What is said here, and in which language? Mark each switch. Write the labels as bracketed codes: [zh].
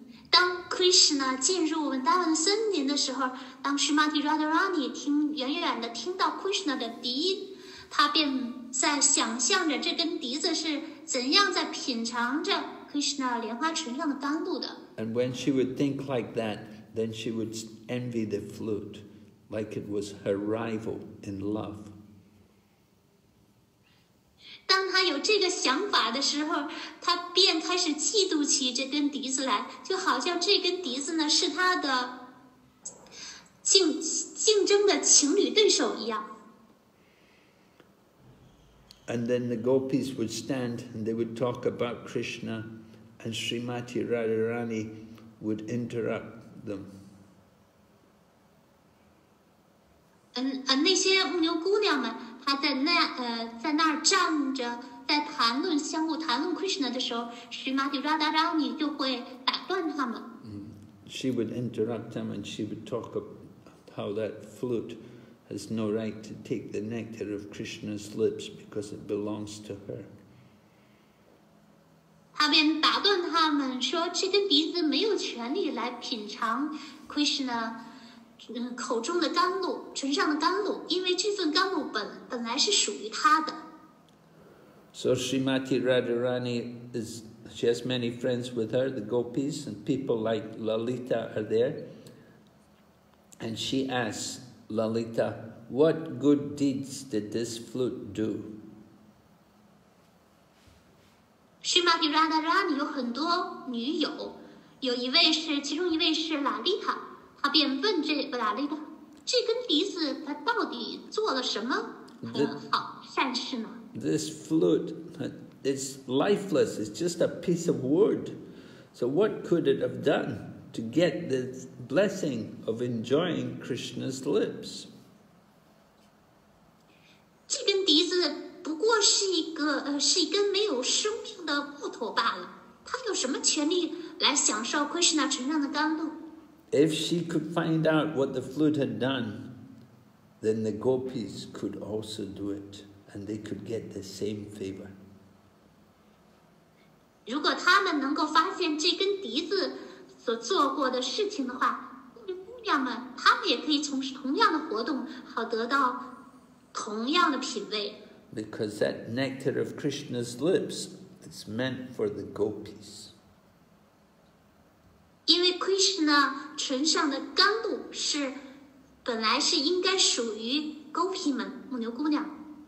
[zh] 当 Krishna 进入文达文森林的时候，当 Srimati Radharani 远远地听到 Krishna 的笛，她便在想象着这根笛子是怎样在品尝着 Krishna 莲花唇上的甘露的。 [en] And when she would think like that, then she would envy the flute, like it was her rival in love. [zh] 当他有这个想法的时候，他便开始嫉妒起这根笛子来，就好像这根笛子呢是他的竞争的情侣对手一样。 [en] And then the gopis would stand and they would talk about Krishna, and Srimati Radharani would interrupt them. [zh] 那些牧牛姑娘们，她在那儿站着，在相互谈论 Krishna 的时候 ，Srimati Radharani 就会打断他们。 [en] She would interrupt them and she would talk of how that flute has no right to take the nectar of Krishna's lips because it belongs to her. [zh] 她便打断他们说，这根鼻子没有权利来品尝 Krishna。口中的甘露，唇上的甘露，因为这份甘露本来是属于他的。 [en] So Srimati Radharani she has many friends with her, the gopis, and people like Lalita are there. And she asks Lalita, what good deeds did this flute do? [zh] Srimati Radharani 有很多女友，其中一位是 Lalita。他便问这根笛子它到底做了什么善事呢？ [en] This flute, it's lifeless, it's just a piece of wood. So what could it have done to get the blessing of enjoying Krishna's lips? [zh] 这根笛子不过是一根没有生命的木头罢了，它有什么权利来享受 Krishna 唇上的甘露？ [en] If she could find out what the flute had done, then the gopis could also do it, and they could get the same favor. [zh] 如果他们能够发现这根笛子所做过的事情的话，姑娘们，她们也可以从事同样的活动，好得到同样的品味。 [en] Because that nectar of Krishna's lips is meant for the gopis. [zh] Krishna 呈上的甘露是本来是应该属于 Gopi 们母牛姑娘。